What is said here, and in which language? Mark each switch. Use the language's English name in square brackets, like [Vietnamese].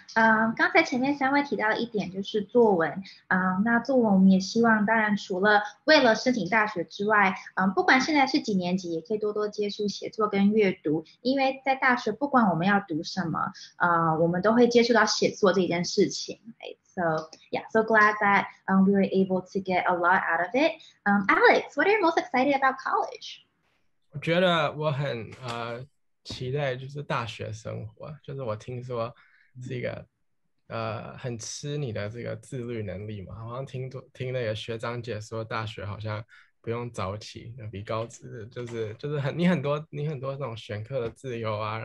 [Chinese] 刚才前面三位提到了一点，就是作文。那作文我们也希望，当然除了为了申请大学之外，不管现在是几年级，也可以多多接触写作跟阅读。因为在大学，不管我们要读什么，我们都会接触到写作这件事情。 [English] Right? So yeah, so glad that we were able to get a lot out of it. Alex, what are you most excited about college? [Chinese] 我觉得我很期待就是大学生活，就是我听说是一个很吃你的这个自律能力嘛，好像听那个学长姐说大学好像不用早起，比高职就是很你很多那种选课的自由啊。